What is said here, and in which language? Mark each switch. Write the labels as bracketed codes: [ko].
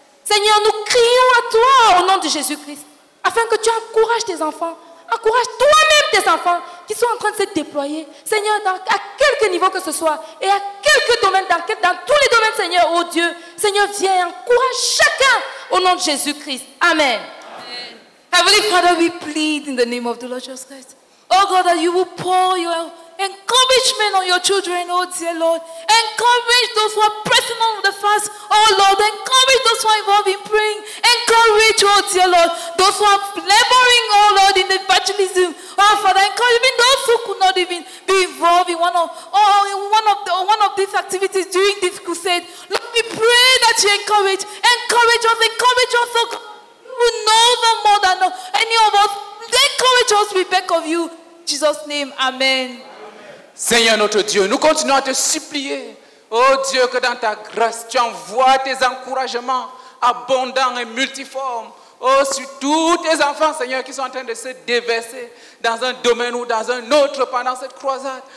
[fr] Seigneur, nous crions à toi au nom de Jésus-Christ, afin que tu encourages tes enfants. Encourage toi-même tes enfants qui sont en train de se déployer, Seigneur, à quelque niveau que ce soit, et à quelque domaine, dans tous les domaines, Seigneur, oh Dieu. Seigneur, viens, encourage chacun au nom de Jésus-Christ. Amen. Amen. [en] Heavenly Father, we plead in the name of the Lord Jesus Christ. Oh God, that you will pour your encouragement on your children, oh dear Lord. Encourage those who are pressing on the fast, oh Lord. Encourage those who are involved in praying. Encourage, oh dear Lord, those who are laboring, oh Lord, in evangelism. Oh Father, encourage even those who could not even be involved in one of these activities during this crusade. Let me pray that you encourage. Encourage us, oh God, who know them more than any of us. Encourage us, we beg of you. In Jesus' name, amen. [fr] Seigneur notre Dieu, nous continuons à te supplier, oh Dieu, que dans ta grâce, tu envoies tes encouragements abondants et multiformes, oh, sur tous tes enfants, Seigneur, qui sont en train de se déverser dans un domaine ou dans un autre pendant cette croisade.